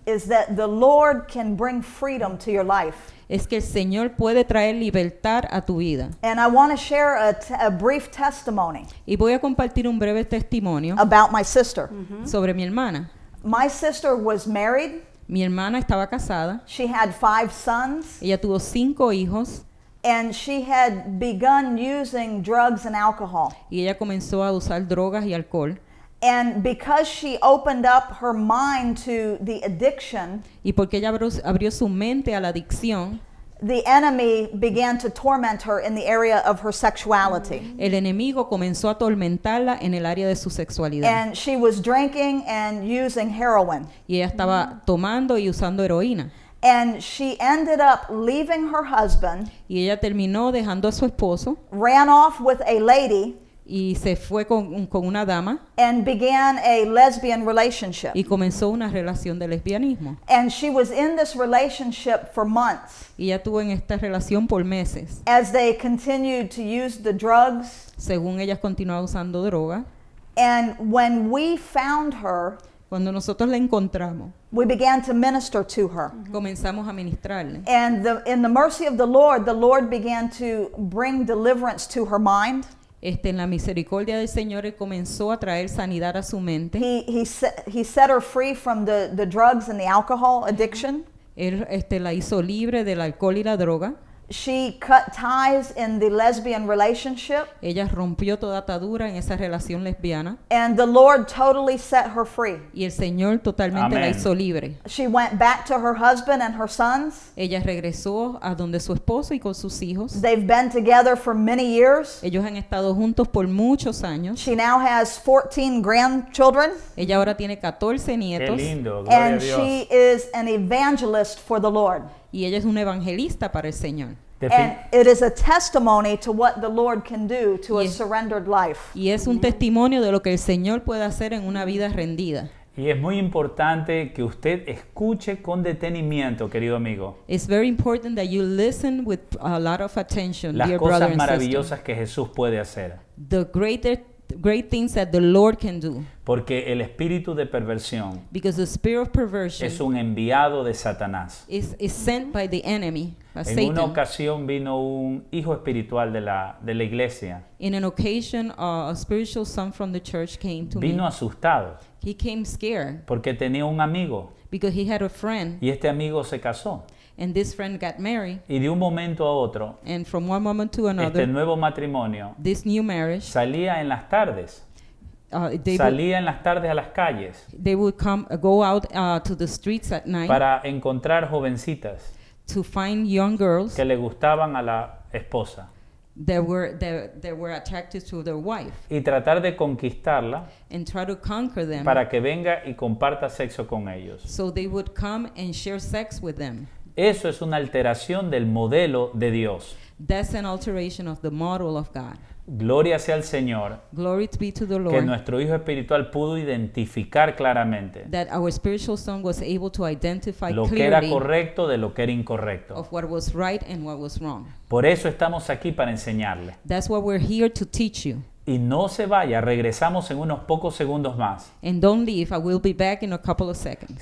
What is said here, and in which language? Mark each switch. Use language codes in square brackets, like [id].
[en] Is that the Lord can bring freedom to your life. [es] Es que el Señor puede traer libertad a tu vida. [en] And I want to share a brief testimony. [es] Y voy a compartir un breve testimonio. [en] About my sister. [es] Sobre mi hermana. [en] My sister was married. [es] Mi hermana estaba casada. [en] She had 5 sons. [es] Ella tuvo 5 hijos. [en] And she had begun using drugs and alcohol. [es] Y ella comenzó a usar drogas y alcohol. [en] And because she opened up her mind to the addiction. [es] Y porque ella abrió su mente a la adicción. [en] The enemy began to torment her in the area of her sexuality. [es] El enemigo comenzó a atormentarla en el área de su sexualidad. [en] And she was drinking and using heroin. [es] Y ella estaba tomando y usando heroína. [en] And she ended up leaving her husband. [es] Y ella terminó dejando a su esposo. [en] Ran off with a lady. [es] Y se fue con una dama. [en] And began a lesbian relationship. [es] Y comenzó una relación de lesbianismo. [en] And she was in this relationship for months. [es] Y ella estuvo en esta relación por meses. [en] As they continued to use the drugs. [es] Según ellas continuaban usando droga. [en] And when we found her. [es] Cuando nosotros la encontramos. [en] We began to minister to her. [es] Comenzamos a ministrarle. [en] And in the mercy of the Lord began to bring deliverance to her mind. [es] En la misericordia del Señor, él comenzó a traer sanidad a su mente. [en] He set her free from the drugs and the alcohol addiction. [es] Él la hizo libre del alcohol y la droga. [en] She cut ties in the lesbian relationship. [es] Ella rompió toda atadura en esa relación lesbiana. [en] And the Lord totally set her free. [es] Y el Señor totalmente la hizo libre. [en] She went back to her husband and her sons. [es] Ella regresó a donde su esposo y con sus hijos. [en] They've been together for many years. [es] Ellos han estado juntos por muchos años. [en] She now has 14 grandchildren. [es] Ella ahora tiene 14 nietos. Qué lindo. [en] And [es] a Dios. [en] She is an evangelist for the Lord. [es] Y ella es una evangelista para el Señor. [en] And it is a testimony to what the Lord can do to a surrendered life. [es] Y es un testimonio de lo que el Señor puede hacer en una vida rendida. Y es muy importante que usted escuche con detenimiento, querido amigo. [en] It's very important that you listen with a lot of attention, dear brother and sister. [es] Las cosas maravillosas que Jesús puede hacer. [en] The great things that the Lord can do. [es] Porque el espíritu de perversión. [en] Because the spirit of perversion. [es] Es un enviado de Satanás. [en] Is sent by the enemy, by [es] en [en] Satan. [es] En una ocasión vino un hijo espiritual de la iglesia. [en] In an occasion, a spiritual son from the church came to me. [es] Vino asustado. [en] He came scared. [es] Porque tenía un amigo. [en] Because he had a friend. [es] Y este amigo se casó. [en] And this friend got married. [es] Y de un momento a otro. [en] And from one moment to another. [es] Este nuevo matrimonio. [en] This new marriage. [es] Salía en las tardes. En las tardes a las calles. [en] They would go out to the streets at night. [es] Para encontrar jovencitas. [en] To find young girls. [es] Que le gustaban a la esposa. [en] They were attracted to their wife. [es] Y tratar de conquistarla. [en] And try to conquer them. [es] Para que venga y comparta sexo con ellos. [en] So they would come and share sex with them. [es] Eso es una alteración del modelo de Dios. [en] That's an alteration of the model of God. [es] Gloria sea al Señor. [en] Glory be to the Lord. [es] Que nuestro hijo espiritual pudo identificar claramente. [en] That our spiritual son was able to identify [es] lo [en] clearly [es] que era correcto de lo que era incorrecto. [en] Of what was right and what was wrong. [es] Por eso estamos aquí para enseñarle. [en] That's why we're here to teach you. [es] Y no se vaya, regresamos en unos pocos segundos más. [en] And don't leave, I will be back in a couple of seconds.